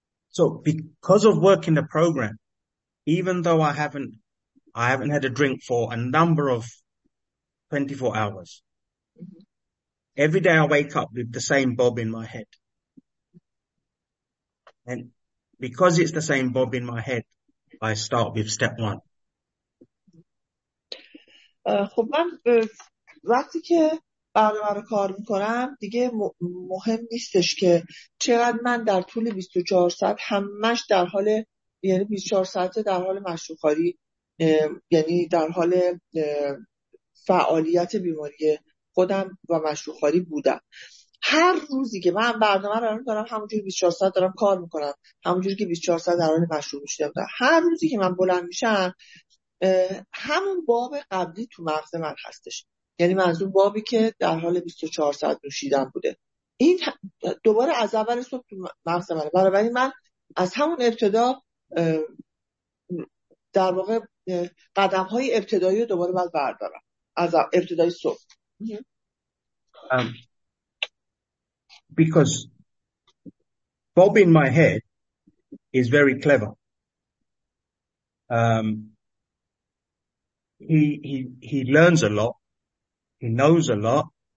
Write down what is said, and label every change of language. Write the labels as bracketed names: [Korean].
[English] So because of working the program, even though I haven't had a drink for a number of 24 hours. Mm-hmm. Every day I wake up with the same Bob in my head. And because it's the same Bob in my head, I start with step one. [Persian] خب من وقتی که برنامه رو کار میکنم دیگه مهم نیستش که چقدر من در طول 24 ساعت همش در حال، یعنی 24 ساعت در حال مشروب‌خواری، یعنی در حال فعالیت بیماری خودم و مشروخاری بودم. هر روزی که من برنامه رو دارم همونجوری 24 ساعت دارم کار میکنم، همونجوری که 24 ساعت در حال مشروب میشدم، هر روزی که من بلند میشم همون باب قبلی تو مغز من هستش، یعنی منظور بابی که در حال 24 ساعت نوشیدن بوده، این دوباره از اول صبح تو مغز منه. برای من از همون ابتدا در واقع قدم های ابتدایی رو دوباره باید بردارم از ابتدای صبح. [English] Because Bob in my head is very clever. He learns a lot. He knows a lot.